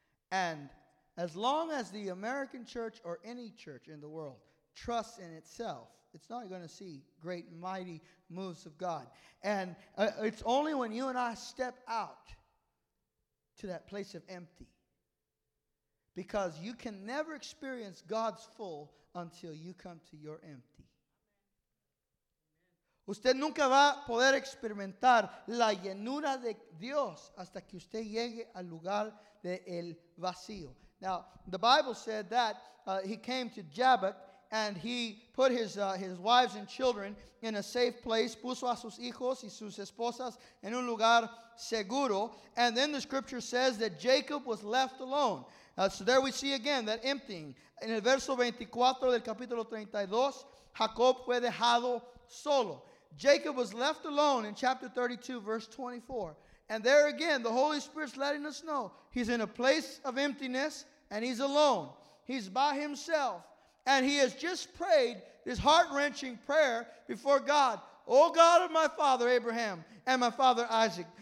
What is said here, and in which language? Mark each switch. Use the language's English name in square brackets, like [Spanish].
[English] And as long as the American church or any church in the world trusts in itself, it's not going to see great, mighty moves of God. And it's only when you and I step out to that place of empty. Because you can never experience God's full until you come to your empty. [Spanish] Usted nunca va a poder experimentar la llenura de Dios hasta que usted llegue al lugar del vacío. [English] Now, the Bible said that he came to Jabbok and he put his wives and children in a safe place, [Spanish] puso a sus hijos y sus esposas en un lugar seguro. [English] And then the scripture says that Jacob was left alone. So there we see again that emptying. [Spanish] En el verso 24 del capítulo 32, Jacob fue dejado solo. [English] Jacob was left alone in chapter 32, verse 24. And there again, the Holy Spirit's letting us know he's in a place of emptiness and he's alone. He's by himself. And he has just prayed this heart-wrenching prayer before God. Oh God of my father Abraham and my father Isaac.